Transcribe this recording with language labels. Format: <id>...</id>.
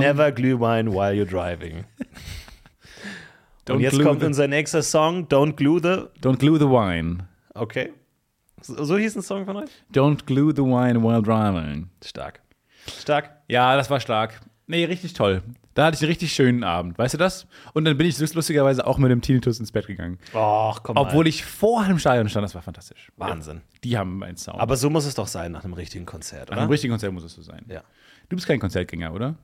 <en>Never Glühwein while you're driving.</en> <de>Und jetzt kommt unser nächster Song.</de> <en>Don't glue the wine.</en> <de>Okay. So hieß ein Song von euch?</de> <en>Don't glue the wine while driving.</en> <de>Stark. Stark. Ja, das war stark. Nee, richtig toll. Da hatte ich einen richtig schönen Abend. Weißt du das? Und dann bin ich lustigerweise auch mit dem Tinnitus ins Bett gegangen. Och, komm mal. Obwohl ich vorher im Stadion stand, das war fantastisch. Wahnsinn. Ja, die haben einen Sound. Aber so muss es doch sein nach einem richtigen Konzert, oder? Nach einem richtigen Konzert muss es so sein. Ja. Du bist kein Konzertgänger, oder?</de>